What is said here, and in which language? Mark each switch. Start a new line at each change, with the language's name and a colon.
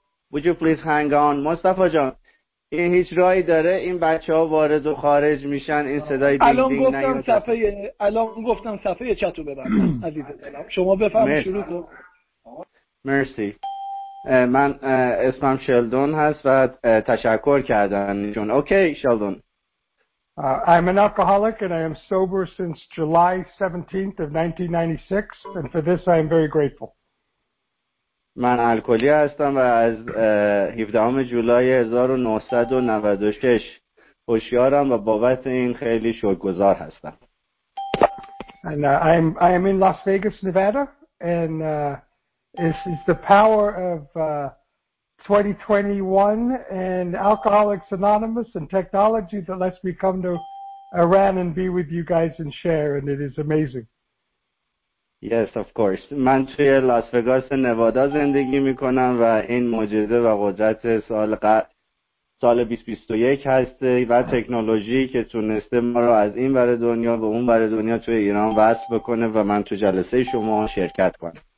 English: Would you please hang on,
Persian: Mustafa جان؟ این هیچ راهی داره این بچه‌ها وارد و خارج میشن این صدای دیگه نمیاد. الان گفتم صفحه چتو ببر عزیز دلم، شما بفهم شروع کن. مرسی. من اسمم شلدون هست و تشکر کردن چون اوکی شلدون.
English: I'm an alcoholic and I am sober since July 17th of 1996 and for this I am very grateful.
Persian: من الکلی هستم و از 17 جولای 1996 هوشیارم و بابت این خیلی شکرگزار هستم.
English: And I am in Las Vegas, Nevada and this is the power of 2021 and Alcoholics Anonymous and technology that lets me come to Iran and be with you guys and share, and it is amazing. Yes, of course.
Persian: من توی لاس وگاس نوادا زندگی میکنم و این معجزه و قدرت سال 2021 هسته و تکنولوژی که تونسته ما رو از این ور دنیا به اون ور دنیا توی ایران وصل بکنه و من تو جلسه شما شرکت کنم.